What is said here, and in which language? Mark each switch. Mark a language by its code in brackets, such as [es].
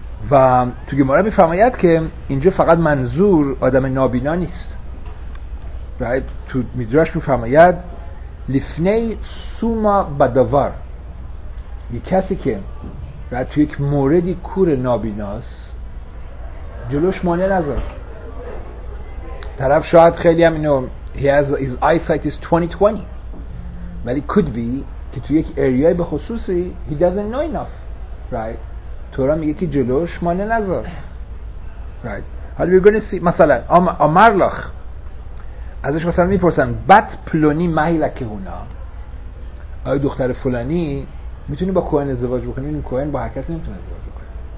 [fa] و تو گمارا میفرماید که اینجا فقط منظور آدم نابینا نیست. [en] right. [fa] تو میدراش میفرماید لفنه سوما بدوار یک کسی که right. تو یک موردی کور نابیناست جلوش مانه نذار. طرف شاید خیلی هم اینو [en] he has his eyesight is 20/20 but it could be که تو یک area به خصوصی he doesn't know enough. right. [fa] تورا میگه که جلوش مانه نذار. [en] right. [fa] حالا [en] we're gonna see [fa] مثلا آمرلاخ ازش مثلا میپرسن بد پلونی محیلک هونا آیا دختر فلانی میتونی با کوهن ازدواج بکنی؟ این کوهن با هر کسی نمیتونه ازدواج بکنه.